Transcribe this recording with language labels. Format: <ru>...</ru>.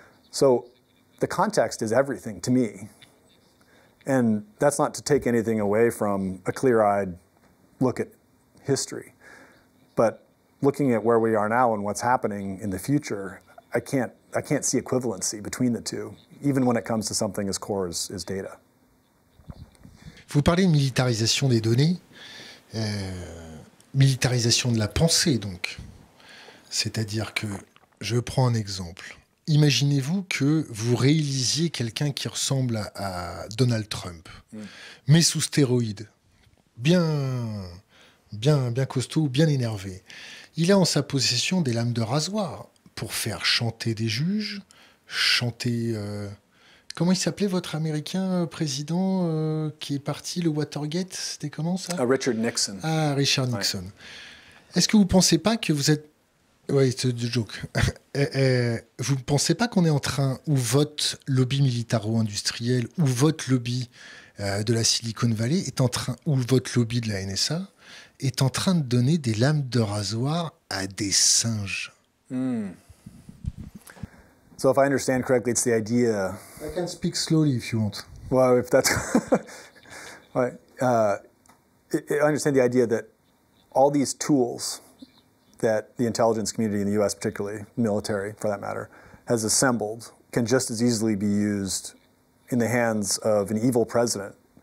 <en>So the context is everything to me. And that's not to take anything away from a clear-eyed look at history. But looking at where we are now and what's happening in the future, I can't see equivalency between the two, even when it comes to something as core as data.</en> <fr>Vous parlez de militarisation des données, militarisation de la pensée, donc. C'est-à-dire que, je prends un exemple. Imaginez-vous que vous réalisiez quelqu'un qui ressemble à Donald Trump, mais sous stéroïdes, bien costaud, bien énervé. Il a en sa possession des lames de rasoir pour faire chanter des juges, chanter... comment il s'appelait votre Américain président qui est parti, le Watergate, c'était comment ça? Richard Nixon. Ah, Richard Nixon. Ouais. Est-ce que vous ne pensez pas que vous êtes... Oui, c'est du joke. Vous ne pensez pas qu'on est en train, ou votre lobby militaro-industriel, ou votre lobby de la Silicon Valley, est en train, ou votre lobby de la NSA, est en train de donner des lames de rasoir à des singes?</fr> <en>So if I understand correctly, it's the idea... I can speak slowly if you want. Well, if that's... I understand the idea that all these tools... that the intelligence community in the US particularly, military for that matter, has assembled can just as easily be used in the hands of an evil president</en>